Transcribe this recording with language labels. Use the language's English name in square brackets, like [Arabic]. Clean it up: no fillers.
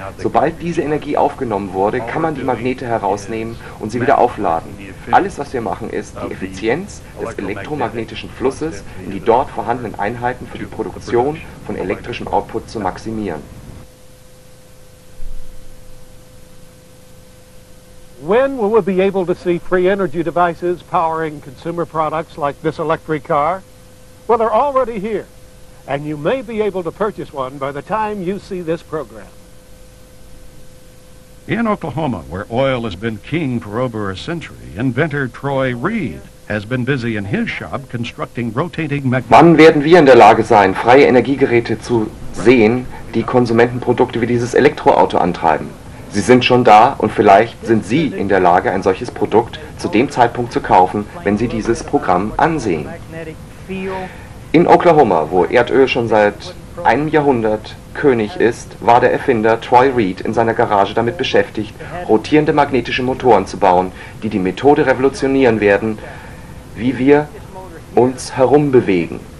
[German] Sobald diese Energie aufgenommen wurde, kann man die Magnete herausnehmen und sie wieder aufladen. Alles, was wir machen, ist, die Effizienz des elektromagnetischen Flusses in die dort vorhandenen Einheiten für die Produktion von elektrischem Output zu maximieren. [English] When will we be able to see free energy devices powering consumer products like this electric car? Well, they're already here, and you may be able to purchase one by the time you see this program. In Oklahoma, where oil has been king for over a century, inventor Troy Reed has been busy in his shop constructing rotating magnets. [German] Wann werden wir in der Lage sein, freie Energiegeräte zu sehen, die Konsumentenprodukte wie dieses Elektroauto antreiben? Sie sind schon da und vielleicht sind Sie in der Lage, ein solches Produkt zu dem Zeitpunkt zu kaufen, wenn Sie dieses Programm ansehen. In Oklahoma, wo Erdöl schon seit einem Jahrhundert König ist, war der Erfinder Troy Reed in seiner Garage damit beschäftigt, rotierende magnetische Motoren zu bauen, die die Methode revolutionieren werden, wie wir uns herumbewegen.